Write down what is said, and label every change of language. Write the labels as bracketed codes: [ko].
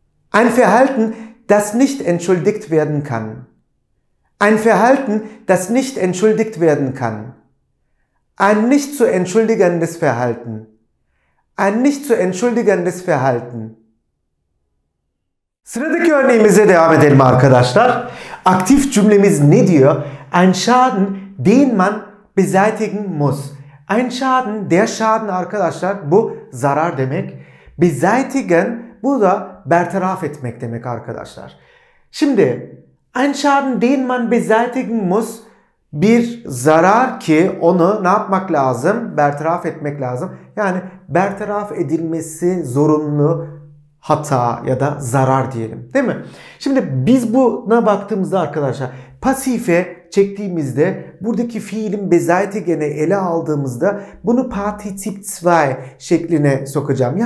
[de] Ein Verhalten, das nicht entschuldigt werden kann. Ein Verhalten, das nicht entschuldigt werden kann. Ein nicht zu entschuldigendes Verhalten. Ein nicht zu entschuldigendes Verhalten. [tr] Sıradaki örneğimize devam edelim arkadaşlar. Aktif cümlemiz ne diyor? [de] Ein Schaden, den man beseitigen muss. Ein Schaden, der Schaden [tr] arkadaşlar, bu zarar demek. Beseitigen, bu da bertaraf etmek demek arkadaşlar. [de] Şimdi, ein Schaden, den man beseitigen muss. [tr] Bir zarar ki onu ne yapmak lazım? Bertaraf etmek lazım. Yani bertaraf edilmesi zorunlu hata ya da zarar diyelim. Değil mi? Şimdi biz buna baktığımızda arkadaşlar pasife çektiğimizde buradaki fiilin beseitigen'i ele aldığımızda bunu Partizip 2 şekline sokacağım.